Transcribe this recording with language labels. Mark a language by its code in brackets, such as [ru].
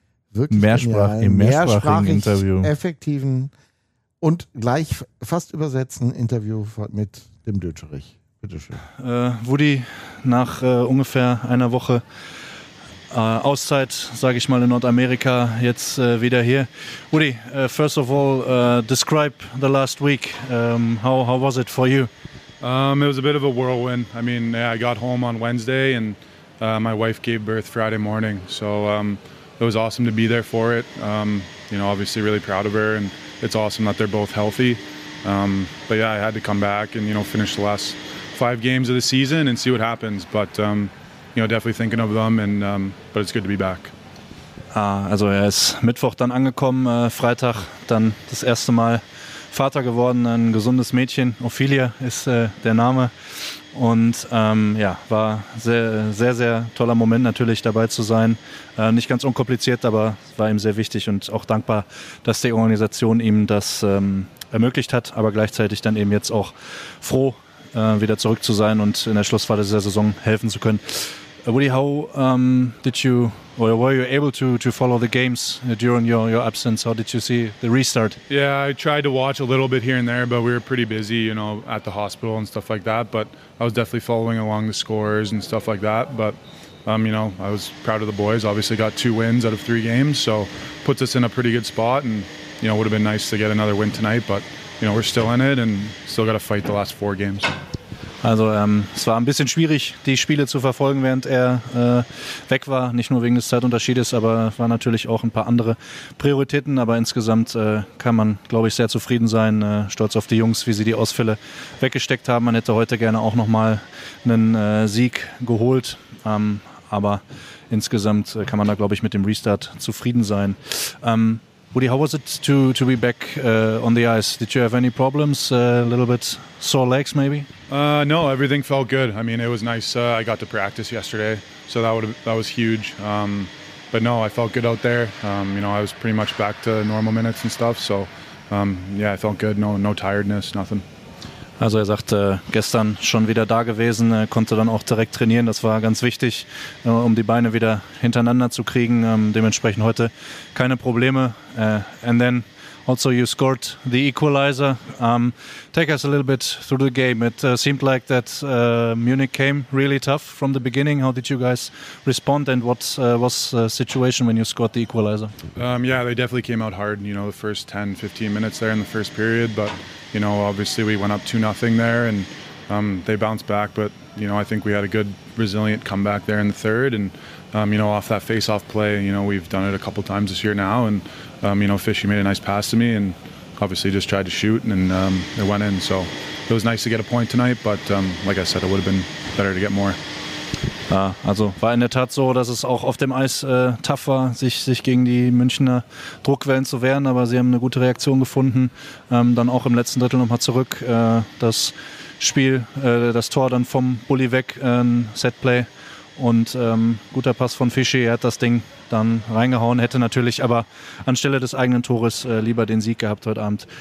[de] wirklich mehrsprachigen Interview. Effektiven und gleich fast übersetzten Interview mit dem Dötscherich. Bitteschön. Woody, nach ungefähr einer Woche Auszeit, sage ich mal, in Nordamerika, jetzt wieder hier. [en] Woody, first of all, describe the last week. How was it for you? It was a bit of a whirlwind. I mean, yeah, I got home on Wednesday and my wife gave birth Friday morning. So it was awesome to be there for it. Obviously really proud of her, and it's awesome that they're both healthy. I had to come back and, you know, finish the last 5 games of the season and see what happens. But, definitely thinking of them, and but it's good to be back. [de] Also er ist Mittwoch dann angekommen, Freitag dann das erste Mal Vater geworden, ein gesundes Mädchen. Ophelia ist der Name. Und war sehr, sehr, sehr toller Moment natürlich dabei zu sein. Nicht ganz unkompliziert, aber war ihm sehr wichtig und auch dankbar, dass die Organisation ihm das ermöglicht hat, aber gleichzeitig dann eben jetzt auch froh, wieder zurück zu sein und in der Schlussphase dieser Saison helfen zu können. [en] Woody, how did you, or were you able to follow the games during your absence? How did you see the restart? Yeah, I tried to watch a little bit here and there, but we were pretty busy, you know, at the hospital and stuff like that. But I was definitely following along the scores and stuff like that. But You know, I was proud of the boys. Obviously got 2 wins out of 3 games, so puts us in a pretty good spot. And, you know, it would have been nice to get another win tonight, but, you know, we're still in it and still got to fight the last 4 games. [de] Also, es war ein bisschen schwierig, die Spiele zu verfolgen, während er weg war. Nicht nur wegen des Zeitunterschiedes, aber waren natürlich auch ein paar andere Prioritäten. Aber insgesamt kann man, glaube ich, sehr zufrieden sein. Stolz auf die Jungs, wie sie die Ausfälle weggesteckt haben. Man hätte heute gerne auch nochmal einen Sieg geholt. Aber insgesamt kann man da, glaube ich, mit dem Restart zufrieden sein. [en] Woody, how was it to be back on the ice? Did you have any problems? A little bit sore legs, maybe? No, everything felt good. I mean, it was nice. I got to practice yesterday, so that was huge. But no, I felt good out there. You know, I was pretty much back to normal minutes and stuff. So yeah, I felt good. No tiredness, nothing. [de] Also er sagt, gestern schon wieder da gewesen, konnte dann auch direkt trainieren. Das war ganz wichtig, um die Beine wieder hintereinander zu kriegen. Dementsprechend heute keine Probleme. [en] And then also you scored the equalizer. Take us a little bit through the game. It seemed like that Munich came really tough from the beginning. How did you guys respond and what was the situation when you scored the equalizer? Yeah, they definitely came out hard, you know, the first 10, 15 minutes there in the first period, but you know, obviously we went up 2-0 there and they bounced back. But, you know, I think we had a good resilient comeback there in the third. And, you know, off that face-off play, you know, we've done it a couple times this year now. And, you know, Fishy made a nice pass to me and obviously just tried to shoot and it went in. So it was nice to get a point tonight. But like I said, it would have been better to get more. [de] Also war in der Tat so, dass es auch auf dem Eis tough war, sich gegen die Münchner Druckwellen zu wehren, aber sie haben eine gute Reaktion gefunden, dann auch im letzten Drittel nochmal zurück, das Spiel, das Tor dann vom Bulli weg, Setplay und guter Pass von Fischi, er hat das Ding dann reingehauen, hätte natürlich aber anstelle des eigenen Tores lieber den Sieg gehabt heute Abend.